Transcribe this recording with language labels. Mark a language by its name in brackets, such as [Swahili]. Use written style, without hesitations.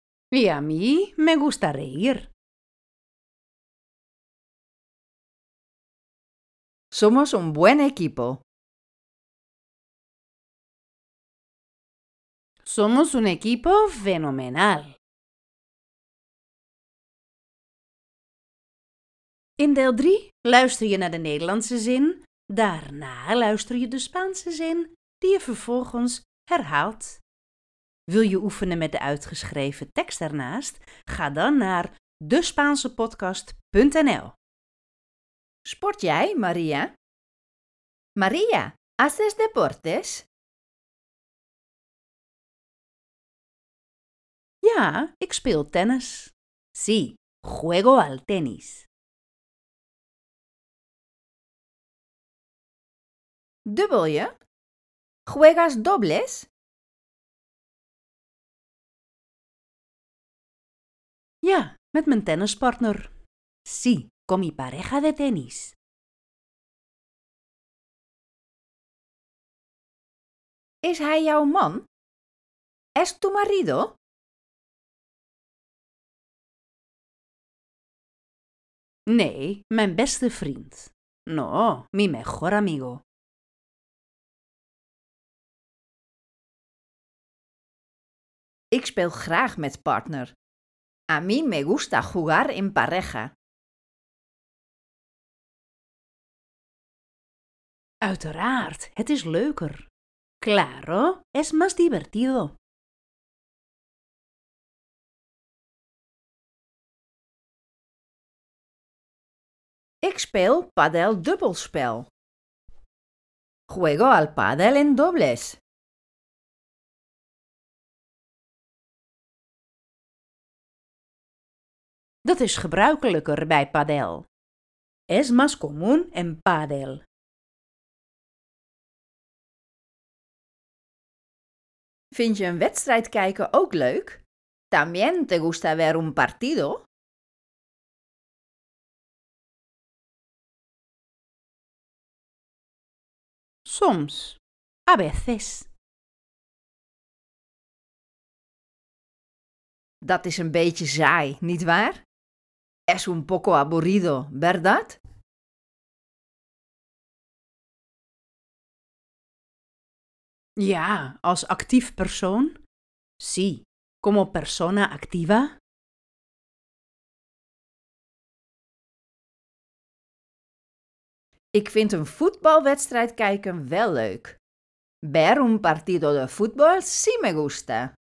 [Spanish] Y a mí me gusta reír. Somos un buen equipo. Somos un equipo fenomenal. [Dutch] In deel 3 luister je naar de Nederlandse zin. Daarna luister je de Spaanse zin die je vervolgens herhaalt. Wil je oefenen met de uitgeschreven tekst daarnaast? Ga dan naar despaansepodcast.nl. Sport jij, María? María, ¿haces deportes? Ja, ik speel tennis. [Spanish] Sí, juego al tenis. [Dutch] ¿Dubbel je? ¿Juegas dobles? Ja, met mijn tennispartner. [Spanish] Sí, con mi pareja de tenis. [Dutch] ¿Es hij jouw man? ¿Es tu marido? Nee, mijn beste vriend. No, mi mejor amigo. Ik speel graag met partner. [Spanish] A mí me gusta jugar en pareja. [Dutch] Uiteraard, het is leuker. [Spanish] Claro, es más divertido. [Dutch] Ik speel padel dubbelspel. [Spanish] Juego al padel en dobles. [Dutch] Dat is gebruikelijker bij padel. [Spanish] Es más común en padel. [Dutch] Vind je een wedstrijd kijken ook leuk? [Spanish] También te gusta ver un partido? Soms. A veces. [Dutch] Dat is een beetje saai, niet waar? [Spanish] Es un poco aburrido, ¿verdad? [Dutch] Ja, als actief persoon. Sí, como persona activa. Ik vind een voetbalwedstrijd kijken wel leuk. [Spanish] Ver un partido de fútbol sí me gusta.